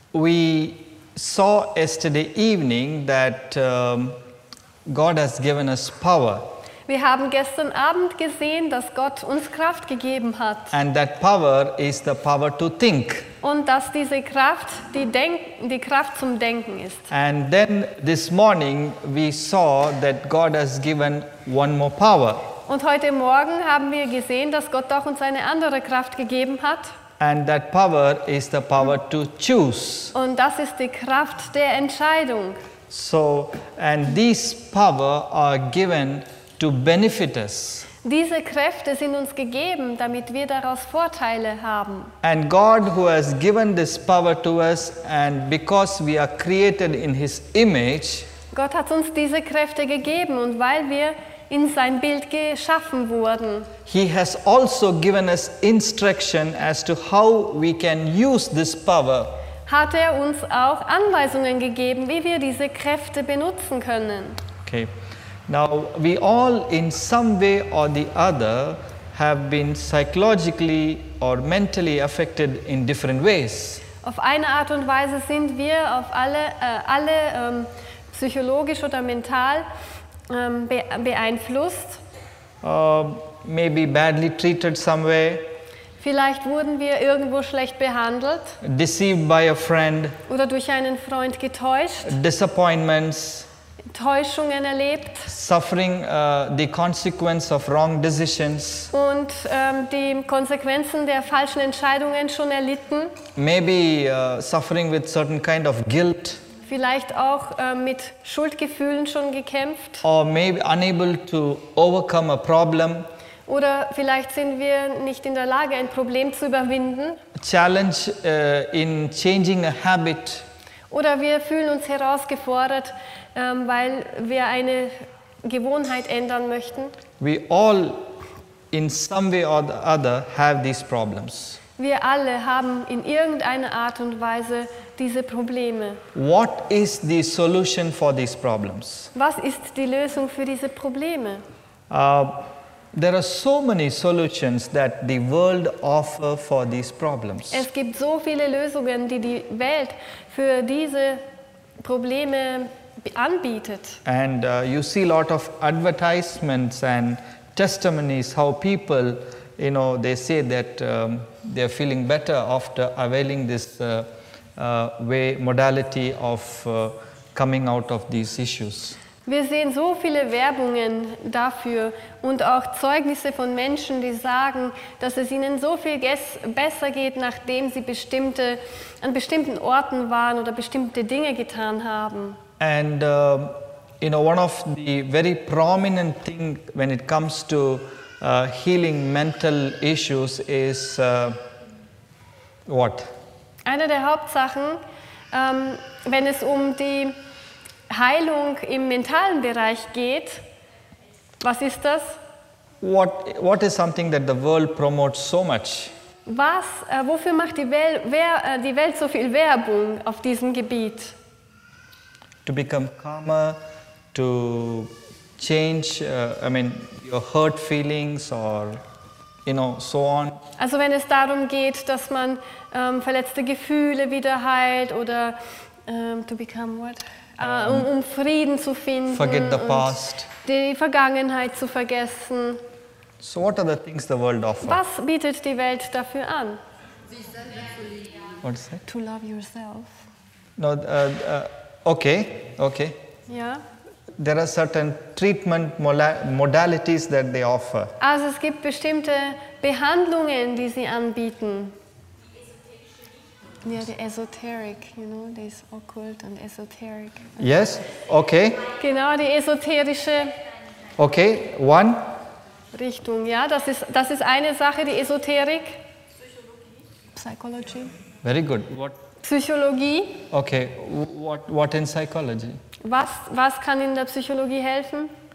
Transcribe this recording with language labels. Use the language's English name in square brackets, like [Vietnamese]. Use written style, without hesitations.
[English] We saw yesterday evening that God has given us power. [German] Wir haben gestern Abend gesehen, dass Gott uns Kraft gegeben hat. [English] And that power is the power to think. [German] Und dass diese Kraft die Kraft zum Denken ist. [English] And then this morning we saw that God has given one more power. [German] Und heute Morgen haben wir gesehen, dass Gott auch uns eine andere Kraft gegeben hat. [English] And that power is the power to choose. [German] Und das ist die Kraft der Entscheidung. [English] So, and these power are given to benefit us. [German] Diese Kräfte sind uns gegeben, damit wir daraus Vorteile haben. [English] And God who has given this power to us, and because we are created in his image, [German] Gott hat uns diese Kräfte gegeben, und weil wir in sein Bild geschaffen wurden. [English] He has also given us instruction as to how we can use this power. [German] Hat er uns auch Anweisungen gegeben, wie wir diese Kräfte benutzen können. [English] Okay. Now, we all in some way or the other have been psychologically or mentally affected in different ways. [German] Auf eine Art und Weise sind wir auf alle psychologisch oder mental beeinflusst. [English] Maybe badly treated somewhere. [German] Vielleicht wurden wir irgendwo schlecht behandelt. [English] Deceived by a friend. [German] Oder durch einen Freund getäuscht. [English] Disappointments. [German] Täuschungen erlebt. [English] Suffering the consequence of wrong decisions. [German] Und die Konsequenzen der falschen Entscheidungen schon erlitten. [English] Maybe suffering with certain kind of guilt. [German] Vielleicht auch mit Schuldgefühlen schon gekämpft. [English] Or maybe unable to overcome a problem. [German] Oder vielleicht sind wir nicht in der Lage, ein Problem zu überwinden. [English] Challenge in changing a habit. [German] Oder wir fühlen uns herausgefordert, weil wir eine Gewohnheit ändern möchten. [English] We all, in some way or the other, have these problems. [German] Wir alle haben in irgendeiner Art und Weise diese Probleme. [English] What is the solution for these problems? [German] Was ist die Lösung für diese Probleme? [English] There are so many solutions that the world offers for these problems. [German] Es gibt so viele Lösungen, die die Welt für diese Probleme anbietet. [English] And you see a lot of advertisements and testimonies how people, you know, they say that they are feeling better after availing this modality of coming out of these issues. [German] Wir sehen so viele Werbungen dafür und auch Zeugnisse von Menschen, die sagen, dass es ihnen so viel besser geht, nachdem sie an bestimmten Orten waren oder bestimmte Dinge getan haben. [English] And you know, one of the very prominent thing when it comes to healing mental issues is what? [German] Eine der Hauptsachen, wenn es um die Heilung im mentalen Bereich geht. Was ist das? [English] What is something that the world promotes so much? [German] Was, wofür macht die Welt so viel Werbung auf diesem Gebiet? [English] To become calmer, to change, your hurt feelings or, you know, so on. [German] Also wenn es darum geht, dass man verletzte Gefühle wieder heilt oder [English] to become what? [German] Um Frieden zu finden. [English] Forget the past. [German] Die Vergangenheit zu vergessen. [English] So what are the things the world offers? [German] Was bietet die Welt dafür an? [English] What is that? To love yourself. No, okay. Yeah. There are certain treatment modalities that they offer. [German] Also es gibt bestimmte Behandlungen, die sie anbieten. [English] Yeah, the esoteric, you know, this occult and esoteric. Yes, okay. [German] Genau, die esoterische. [English] Okay, one. [German] Richtung, ja, das ist eine Sache, die Esoterik. [English] Psychology. Very good. What? [German] Psychologie. [English] Okay, what in psychology? [German] Was kann in der Psychologie helfen?